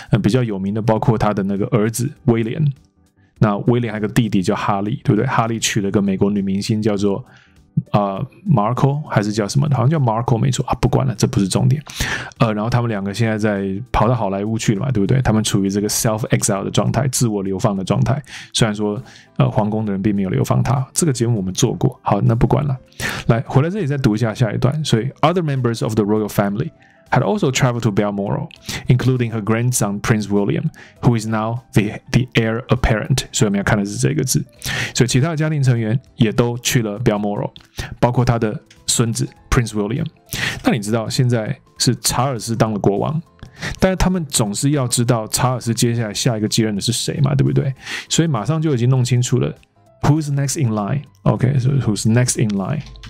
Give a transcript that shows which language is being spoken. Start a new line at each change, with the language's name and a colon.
Chinese: 比较有名的包括他的那个儿子威廉，那威廉还有个弟弟叫哈利，对不对？哈利娶了个美国女明星叫做Marco 还是叫什么的？好像叫 Marco 没错啊，不管了，这不是重点。然后他们两个现在在跑到好莱坞去了嘛，对不对？他们处于这个 self exile 的状态，自我流放的状态。虽然说皇宫的人并没有流放他，这个节目我们做过。好，那不管了。来，回来这里再读一下下一段。
English: 所以 other members of the royal family had also traveled to Balmoral, including her grandson Prince William, who is now the heir apparent.
Chinese: 所以我们要看的是这个字。所以其他的家庭成员也都去了 Balmoral, 包括他的孙子 Prince William。那你知道现在是查尔斯当了国王，但是他们总是要知道查尔斯接下来下一个接任的是谁嘛，对不对？所以马上就已经弄清楚了
English: ，Who's next in line? Okay, so who's next in line?